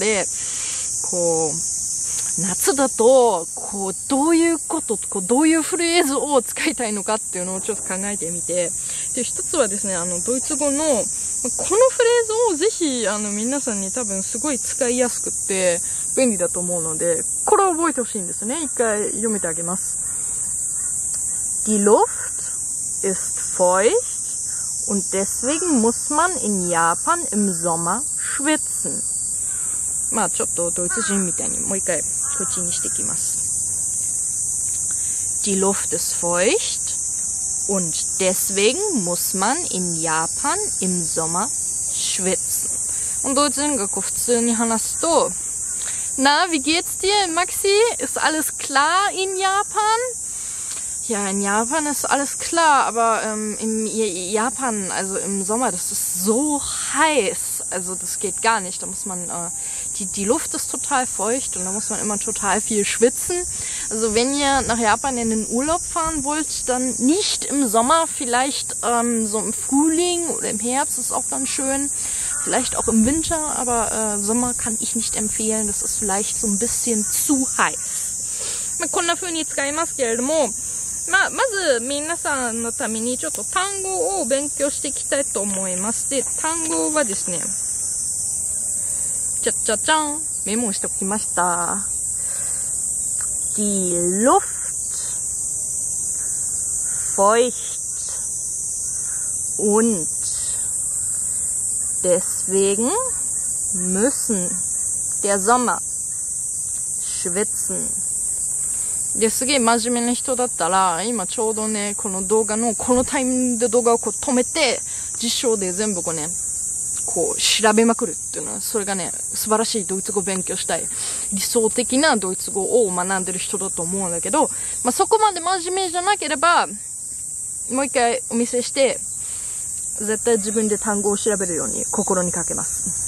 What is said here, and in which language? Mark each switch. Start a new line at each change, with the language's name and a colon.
Japanese: で、こう夏だとこうどういうこと、こうどういうフレーズを使いたいのかっていうのをちょっと考えてみて、で、一つはですね、ドイツ語のこのフレーズをぜひ皆さんに多分すごい使いやすくって便利だと思うので、これを覚えてほしいんですね。一回読めてあげます。
German: Die Luft ist feucht und deswegen muss man in Japan im Sommer schwitzen。
Japanese: まあちょっとドイツ人みたいにもう一回こっちにしていきます。
German: Die Luft ist feucht und deswegen muss man in Japan im Sommer schwitzen。 und
Japanese: ドイツ人がこう普通に話すと、
German: Na, wie geht's dir, Maxi? Ist alles klar in Japan? Ja, in Japan ist alles klar, aber in Japan, also im Sommer, das ist so heiß. Also das geht gar nicht. Da muss man, die Luft ist total feucht und da muss man immer total viel schwitzen. Also wenn ihr nach Japan in den Urlaub fahren wollt, dann nicht im Sommer, vielleicht so im Frühling oder im Herbst ist auch dann schön. Vielleicht auch im Winter, aber Sommer kann ich nicht empfehlen. Das ist vielleicht so ein bisschen zu heiß. Man kann dafür nicht
Japanese: 使いますけれども、まあ、まず皆さんのためにちょっと単語を勉強していきたいと思います。で、単語はですね、ちゃちゃちゃん、メモしておきました。
German: Die Luft feucht und deswegen müssen der Sommer schwitzen。
Japanese: で、すげえ真面目な人だったら、今ちょうどね、この動画の、このタイミングで動画をこう止めて、辞書で全部こうね、こう調べまくるっていうのは、それがね、素晴らしいドイツ語を勉強したい、理想的なドイツ語を学んでる人だと思うんだけど、まあ、そこまで真面目じゃなければ、もう一回お見せして、絶対自分で単語を調べるように心にかけます。